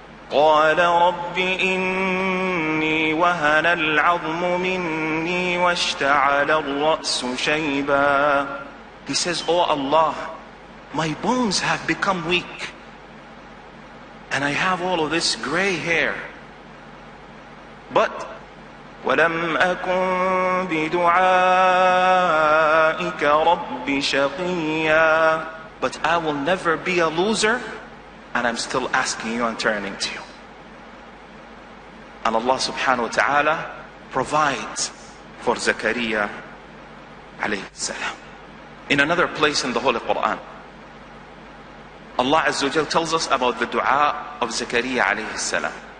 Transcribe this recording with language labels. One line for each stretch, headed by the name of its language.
Arabic: قَالَ رَبِّ إِنِّي وَهَنَ الْعَظْمُ مِنِّي وَاشْتَعَلَ الرَّأْسُ شَيْبًا.
English: He says, Oh Allah, my bones have become weak and I have all of this gray hair.
Arabic: But وَلَمْ أَكُنْ بِدُعَائِكَ رَبِّ شَقِيًّا.
English: But I will never be a loser, and I'm still asking you and turning to you. And Allah subhanahu wa ta'ala provides for Zakariya alayhi salam. In another place in the Holy Quran, Allah Azza wa Jal tells us about the dua of Zakariya alayhi salam.